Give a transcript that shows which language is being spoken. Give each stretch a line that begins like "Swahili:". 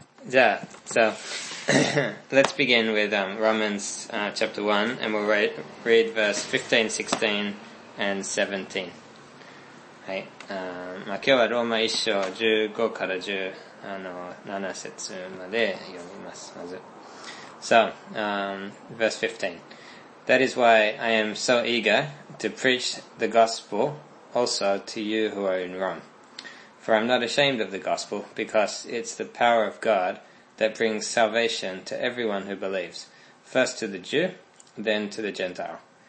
English: Yeah, so let's begin with Romans chapter 1, and we'll read verse 15, 16, and 17.
Japanese: はい。まあ、今日はローマ1章15から10、7節まで読みます。
English: まず。So, verse 15. That is why I am so eager to preach the gospel also to you who are in Rome. For I'm not ashamed of the gospel, because it's the power of God that brings salvation to everyone who believes, first to the Jew, then to the Gentile.